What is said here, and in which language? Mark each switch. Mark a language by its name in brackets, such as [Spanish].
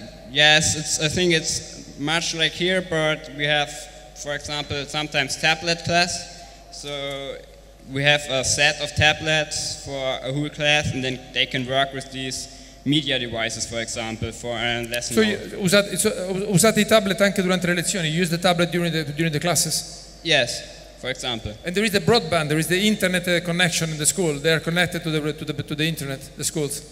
[English] Yes, I think it's much like here, but we have, for example, sometimes tablet class. So we have a set of tablets for a whole class, and then they can work with these media devices, for example, for a lesson. [Italian] So usate I tablet anche durante le lezioni? [English] You use the tablet during the classes? Yes, for example. And there is the broadband, there is the internet connection in the school. They are connected to the internet, the schools.